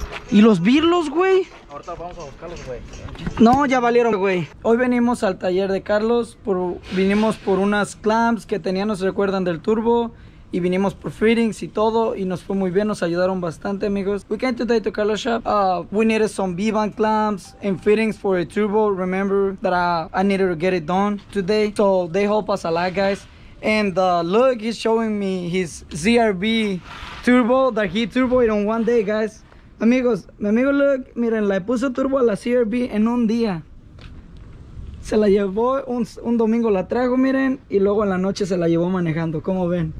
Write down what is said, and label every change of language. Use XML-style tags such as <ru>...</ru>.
<es>¿Y los birlos, güey? Ahorita vamos a buscarlos, güey. No, ya valieron, güey. Hoy venimos al taller de Carlos. Vinimos por unas clamps que tenía, ¿no se recuerdan del turbo? Y vinimos por fittings y todo, y nos fue muy bien, nos ayudaron bastante, amigos.</es> <en>We came today to Carlos' shop. We needed some V-band clamps and fittings for a turbo. Remember that I needed to get it done today. So they help us a lot, guys. And look, he's showing me his ZRB turbo that he turboed in one day, guys.</en> <es>Amigos, mi amigo,</es> <en>look,</en> <es>miren, le puso turbo a la ZRB en un día. Se la llevó, un domingo la trajo, miren, y luego en la noche se la llevó manejando, ¿cómo ven?</es>